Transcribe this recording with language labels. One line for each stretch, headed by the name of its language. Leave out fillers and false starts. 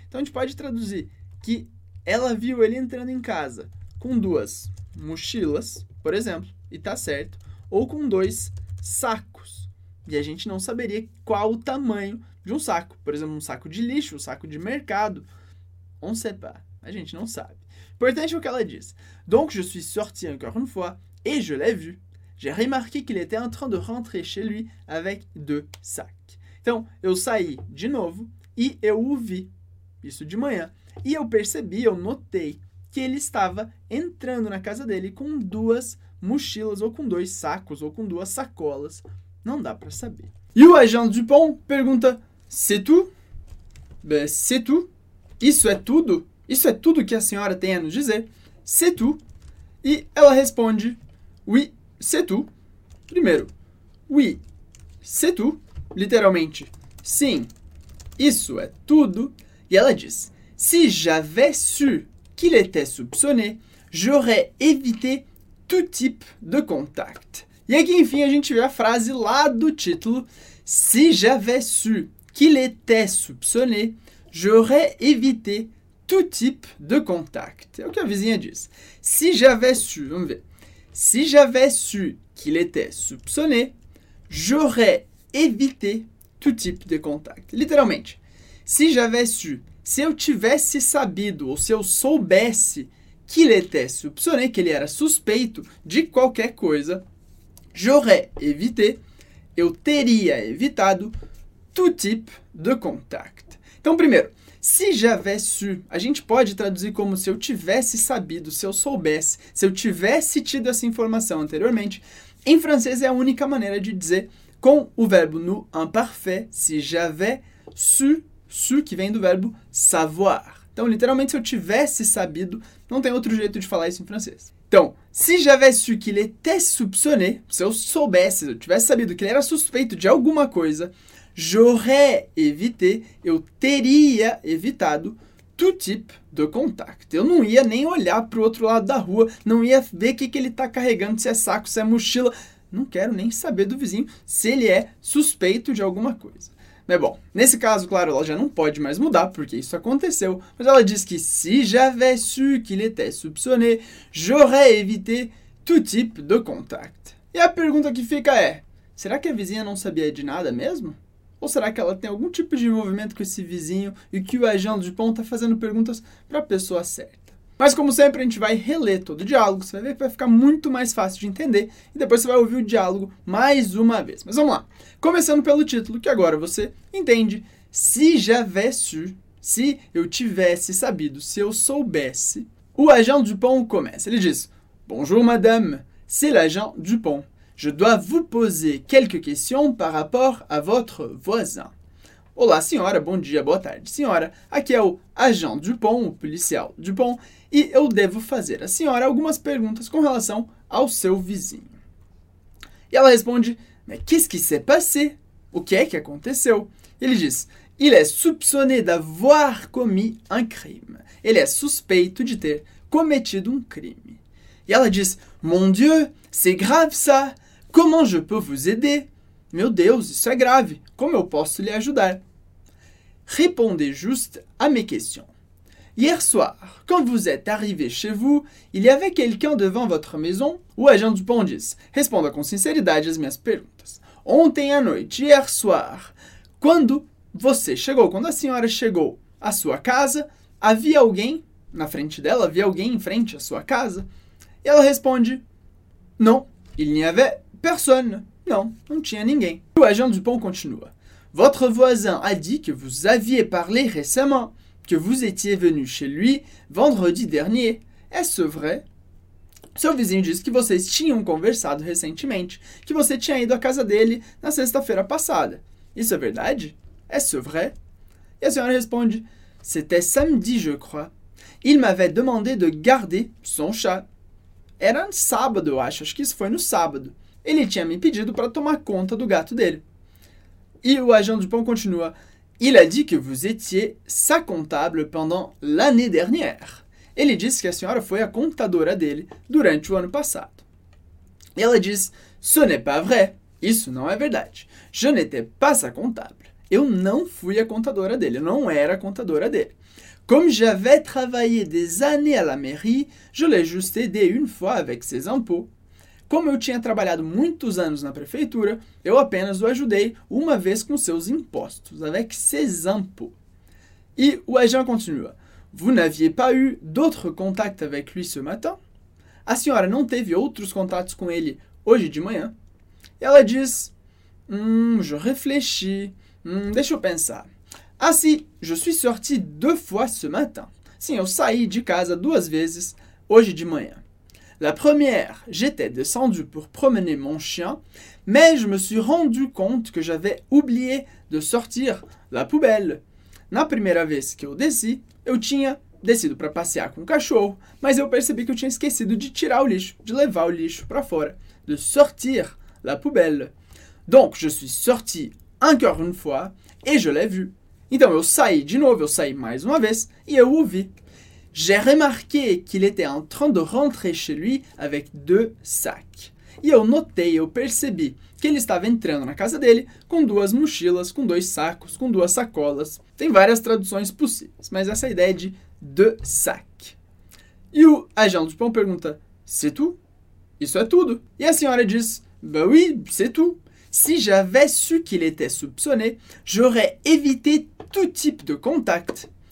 Portuguese: Então a gente pode traduzir que ela viu ele entrando em casa com duas mochilas, por exemplo, e tá certo, ou com dois sacos. E a gente não saberia qual o tamanho de um saco, por exemplo, um saco de lixo, um saco de mercado,
French: on ne sait pas,
Portuguese: a gente não sabe. Importante o que ela diz.
French: Donc, je suis sorti encore une fois, et je l'ai vu. J'ai remarqué qu'il était en train de rentrer chez lui avec deux sacs.
Portuguese: Então, eu saí de novo, e eu o vi, isso de manhã, e eu percebi, eu notei, que ele estava entrando na casa dele com duas mochilas, ou com dois sacos, ou com duas sacolas. Não dá pra saber. E o agente Dupont pergunta,
French: c'est tout? Ben, c'est tout?
Portuguese: Isso é tudo? Isso é tudo que a senhora tem a nos dizer?
French: C'est tout?
Portuguese: E ela responde,
French: oui, c'est tout.
Portuguese: Primeiro,
French: oui, c'est tout.
Portuguese: Literalmente, sim, isso é tudo. E ela diz,
French: si j'avais su qu'il était soupçonné, j'aurais évité tout type de contact.
Portuguese: E aqui, enfim, a gente vê a frase lá do título.
French: Si j'avais su qu'il était soupçonné, j'aurais évité tout type de contact.
Portuguese: É o que a vizinha diz.
French: Si j'avais su,
Portuguese: vamos ver.
French: Si j'avais su qu'il était soupçonné, j'aurais évité tout type de contact.
Portuguese: Literalmente,
French: si j'avais su,
Portuguese: se eu tivesse sabido ou se eu soubesse
French: qu'il était soupçonné,
Portuguese: que ele era suspeito de qualquer coisa,
French: j'aurais évité,
Portuguese: eu teria evitado
French: tout type de contact.
Portuguese: Então, primeiro,
French: si j'avais su,
Portuguese: a gente pode traduzir como se eu tivesse sabido, se eu soubesse, se eu tivesse tido essa informação anteriormente. Em francês é a única maneira de dizer com o verbo no imparfait,
French: si j'avais su,
Portuguese: su que vem do verbo savoir. Então, literalmente, se eu tivesse sabido, não tem outro jeito de falar isso em francês. Então,
French: si j'avais su qu'il était soupçonné,
Portuguese: se eu soubesse, se eu tivesse sabido que ele era suspeito de alguma coisa,
French: j'aurais évité,
Portuguese: eu teria evitado
French: tout type de contact.
Portuguese: Eu não ia nem olhar para o outro lado da rua, não ia ver o que, que ele está carregando, se é saco, se é mochila. Não quero nem saber do vizinho se ele é suspeito de alguma coisa. Mas bom, nesse caso, claro, ela já não pode mais mudar, porque isso aconteceu. Mas ela diz que
French: si j'avais su qu'il était soupçonné, j'aurais évité tout type de contact.
Portuguese: E a pergunta que fica é, será que a vizinha não sabia de nada mesmo? Ou será que ela tem algum tipo de envolvimento com esse vizinho e que o agente Dupont está fazendo perguntas para a pessoa certa? Mas como sempre, a gente vai reler todo o diálogo, você vai ver que vai ficar muito mais fácil de entender e depois você vai ouvir o diálogo mais uma vez. Mas vamos lá. Começando pelo título, que agora você entende.
French: Si j'avais su,
Portuguese: se eu tivesse sabido, se eu soubesse, o agent Dupont começa. Ele diz,
French: bonjour madame, c'est l'agent Dupont. Je dois vous poser quelques questions par rapport à votre voisin.
Portuguese: Olá, senhora. Bom dia, boa tarde, senhora. Aqui é o agent Dupont, o policial Dupont, e eu devo fazer à senhora algumas perguntas com relação ao seu vizinho. E ela responde,
French: mais qu'est-ce qui s'est passé?
Portuguese: O que é que aconteceu? Ele diz,
French: il est soupçonné d'avoir commis un crime.
Portuguese: Ele é suspeito de ter cometido um crime. E ela diz,
French: mon Dieu, c'est grave ça, comment je peux vous aider?
Portuguese: Meu Deus, isso é grave, como eu posso lhe ajudar?
French: Répondez juste à mes questions. Hier soir, quand vous êtes arrivé chez vous, il y avait quelqu'un devant votre maison?
Portuguese: O agent Dupont diz, responda com sinceridade as minhas perguntas. Ontem à noite,
French: hier soir,
Portuguese: quando você chegou, quando a senhora chegou à sua casa, havia alguém na frente dela, havia alguém em frente à sua casa? E ela responde,
French: non, il n'y avait personne.
Portuguese: Não, não tinha ninguém. O agent Dupont continua.
French: Votre voisin a dit que vous aviez parlé récemment, que vous étiez venu chez lui vendredi dernier. Est-ce vrai?
Portuguese: Seu vizinho disse que vocês tinham conversado recentemente, que você tinha ido à casa dele na sexta-feira passada. Isso é verdade?
French: Est-ce vrai?
Portuguese: E a senhora responde,
French: c'était samedi, je crois. Il m'avait demandé de garder son chat.
Portuguese: Era no sábado, eu acho. Acho que isso foi no sábado. Ele tinha me pedido para tomar conta do gato dele. E o agent Dupont continua.
French: Il a dit que vous étiez sa comptable pendant l'année dernière.
Portuguese: Ele disse que a senhora foi a contadora dele durante o ano passado. E ela diz,
French: ce n'est pas vrai.
Portuguese: Isso não é verdade.
French: Je n'étais pas sa comptable.
Portuguese: Eu não fui a contadora dele. Eu não era a contadora dele.
French: Comme j'avais travaillé des années à la mairie, je l'ai juste aidé une fois avec ses impôts.
Portuguese: Como eu tinha trabalhado muitos anos na prefeitura, eu apenas o ajudei uma vez com seus impostos,
French: avec ses impôts.
Portuguese: E o agent continua.
French: Vous n'aviez pas eu d'autres contacts avec lui ce matin?
Portuguese: A senhora não teve outros contatos com ele hoje de manhã? E ela diz,
French: je réfléchis,
Portuguese: deixa eu pensar.
French: Ah, si, je suis sorti deux fois ce matin.
Portuguese: Sim, eu saí de casa duas vezes hoje de manhã.
French: La première, j'étais descendu pour promener mon chien, mais je me suis rendu compte que j'avais oublié de sortir la poubelle.
Portuguese: Na primeira vez que eu desci, eu tinha descido para passear com o cachorro, mas eu percebi que eu tinha esquecido de tirar o lixo, de levar o lixo para fora,
French: de sortir la poubelle. Donc, je suis sorti encore une fois et je l'ai vu.
Portuguese: Então, eu saí de novo, eu saí mais uma vez e eu o vi.
French: J'ai remarqué qu'il était en train de rentrer chez lui avec deux sacs.
Portuguese: E eu notei, eu percebi que ele estava entrando na casa dele com duas mochilas, com dois sacos, com duas sacolas. Tem várias traduções possíveis, mas essa ideia de
French: deux sacs.
Portuguese: E o agent du pont pergunta,
French: c'est tout?
Portuguese: Isso é tudo. E a senhora diz,
French: bah oui, c'est tout. Si j'avais su qu'il était soupçonné, j'aurais évité tout type de contact.